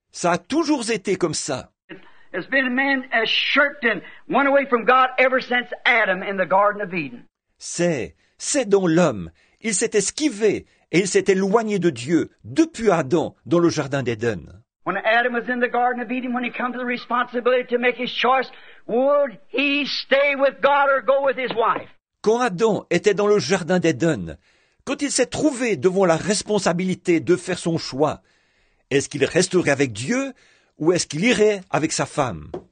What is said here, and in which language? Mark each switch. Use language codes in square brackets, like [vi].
[fr] Ça a toujours été comme ça. [en] It's been a man as shirked and went away from God ever since Adam in the Garden of Eden. [fr] C'est dans l'homme. Il s'est esquivé et il s'est éloigné de Dieu depuis Adam dans le Jardin d'Éden. [en] When Adam was in the Garden of Eden, when he came to the responsibility to make his choice, would he stay with God or go with his wife? [fr] Quand Adam était dans le Jardin d'Éden, quand il s'est trouvé devant la responsabilité de faire son choix, est-ce qu'il resterait avec Dieu? Où est-ce qu'il irait avec sa femme?